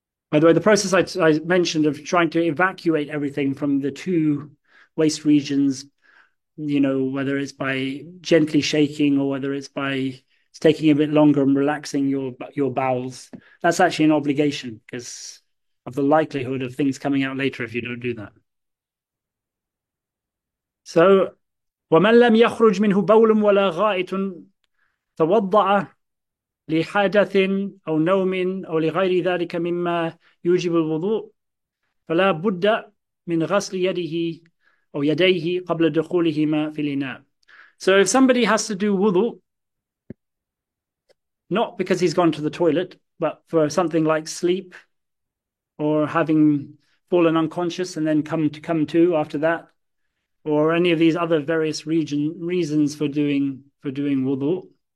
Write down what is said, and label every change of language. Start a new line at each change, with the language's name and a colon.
English: By the way, the process I mentioned of trying to evacuate everything from the two waste regions, you know, whether it's by gently shaking or whether it's by taking a bit longer and relaxing your bowels, that's actually an obligation because of the likelihood of things coming out later if you don't do that. So,
Arabic: وَمَنْ لَمْ يَخْرُجْ مِنْهُ بَوْلٌ وَلَا غَائِتٌ تَوَضَّعَ لحدث أو نوم أو لغير ذلك مما يوجب الوضوء فلا بد من غسل يده أو يديه قبل دخولهما في الإناء.
English: So if somebody has to do wudu, not because he's gone to the toilet, but for something like sleep or having fallen unconscious and then come to after that, or any of these other various reasons for doing wudu.